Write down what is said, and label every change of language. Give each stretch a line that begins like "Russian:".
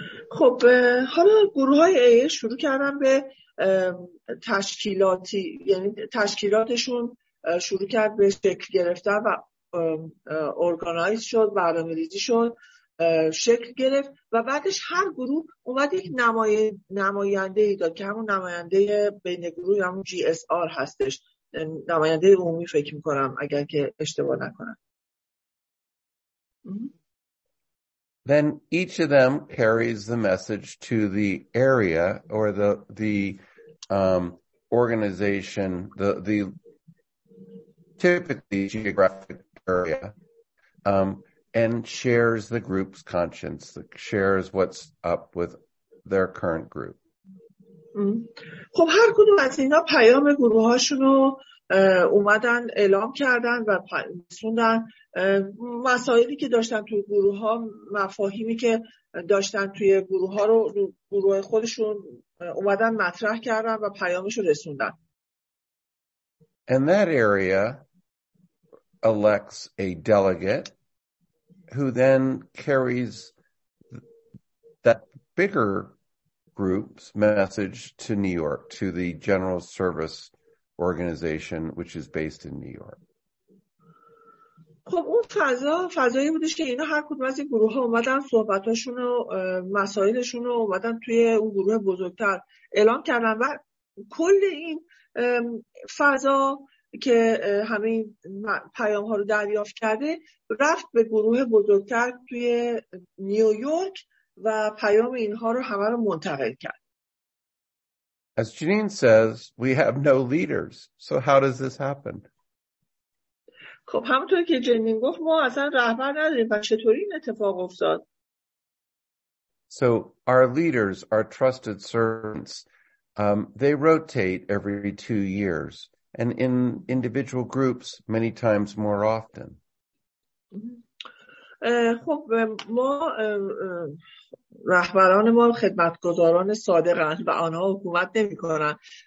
Persian: خب حالا گروه های AA شروع کردن به تشکیلاتی، یعنی تشکیلاتشون شروع کرد به شکل گرفتن و ارگانایز شد، برنامه‌ریزی شد، شکل گرفت و بعدش هر گروه اومد یک نماینده ای داد که همون نماینده بین گروه، همون GSR هستش، نماینده عمومی فکر میکنم اگر که اشتباه نکنم.
English: then each of them carries the message to the area or the organization, the typically geographic area, and shares the group's conscience, shares what's up with their current group.
Persian: خب هر کدوم از اینا پیام گروه‌هاشون رو اومدن اعلام کردن و رسوندن مسائلی که داشتن توی گروه‌ها، مفاهیمی که داشتن توی گروه‌ها رو گروه خودشون اومدن مطرح کردن و پیامش رو رسوندن.
English: And that area elects a delegate who then carries that bigger group's message to New York, to the General Service Organization, which is based in New York.
Persian: خب اون فضا فضایی بودش که اینا هر کدوم از این گروه ها اومدن صحبتاشون و مسائلشون رو اومدن توی اون گروه بزرگتر اعلام کردن و کل این فضا که همه این پیام ها رو دریافت کرده رفت به گروه بزرگتر توی نیویورک و پیام اینها رو همه رو منتقل کرد.
English: As Janine says, we have no leaders. So how does this happen?
Persian: خب همونطور که جنین گفت ما اصلا رهبر نداریم و چطوری این اتفاق افتاد؟
English: So our leaders, our trusted servants, they rotate every 2 years. And in individual groups, many times more often.
Persian: خب ما رهبران ما خدمتگزاران صادقن و آنها حکومت نمی کنن.